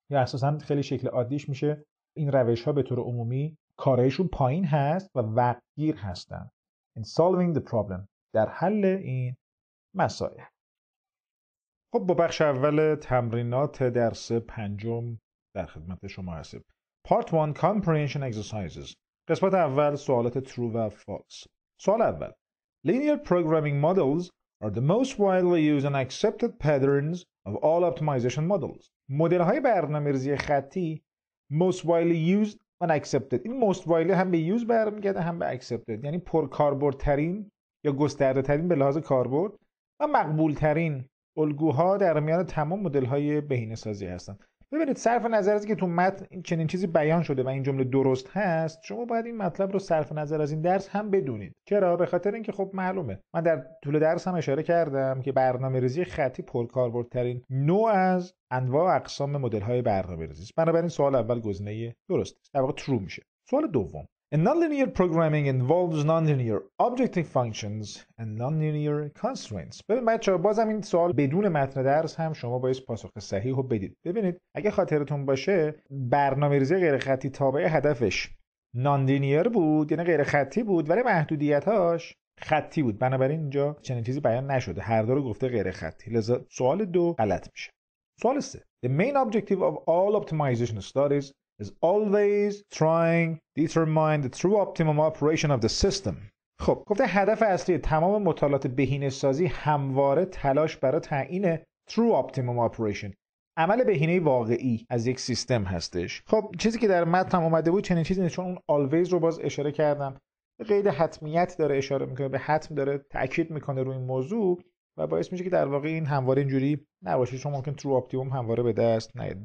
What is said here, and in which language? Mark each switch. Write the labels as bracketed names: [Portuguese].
[Persian] یا اساساً خیلی شکل عادیش میشه، این روش‌ها به طور عمومی کارایشون پایین هست و وقت گیر هستند. [English] In solving the problem، [Persian] در حل این مسائل. خب با بخش اول تمرینات درس پنجم در خدمت شما هستیم. [English] Part 1 Comprehension Exercises. [Persian] قسمت اول سوالات True و False. سوال اول: [English] Linear programming models are the most widely used and accepted patterns of all optimization models. [Persian] مدل‌های برنامه‌ریزی خطی [English] most widely used and accepted. [Persian] این most widely هم به use برمی‌گرده هم به accepted، یعنی پرکاربردترین یا گسترده ترین به لحاظ کاربرد و مقبول ترین الگوها در میان تمام مدل های بهینه سازی هستند. ببینید صرف نظر از اینکه تو متن چنین چیزی بیان شده و این جمله درست هست، شما باید این مطلب رو صرف نظر از این درس هم بدونید. چرا؟ به خاطر اینکه خب معلومه، من در طول درس هم اشاره کردم که برنامه‌ریزی خطی پرکاربرد ترین نوع از انواع و اقسام مدل های برنامه‌ریزی است. بنابراین سوال اول گزینه درست است، در واقع ترو میشه. سوال دوم: [English] And nonlinear programming involves nonlinear objective functions and nonlinear constraints. [Persian] ببین بچه‌ها، بازم این سوال بدون متن درس هم شما باید پاسخ صحیح رو بدید. ببینید اگه خاطرتون باشه، برنامه‌ریزی غیر خطی تابع هدفش ناندینیر بود، یعنی غیر خطی بود، ولی محدودیتاش خطی بود. بنابراین اینجا چنین چیزی بیان نشده. هر دو رو گفته غیر خطی. لذا سوال دو غلط میشه. سوال سه. [English] The main objective of all optimization studies is always trying to determine the true optimum operation of the system. [Persian] خب گفته هدف اصلی تمام مطالعات بهینه‌سازی همواره تلاش برای تعیین [English] true optimum operation، [Persian] عمل بهینه واقعی از یک سیستم هستش. خب چیزی که در متن اومده بود چنین چیزی نیست، چون اون always رو باز اشاره کردم، قید حتمیت داره اشاره میکنه، به حتم داره تاکید میکنه روی این موضوع و باعث میشه که در واقع این همواره اینجوری نباشه، چون ممکن true optimum همواره به دست نیاد.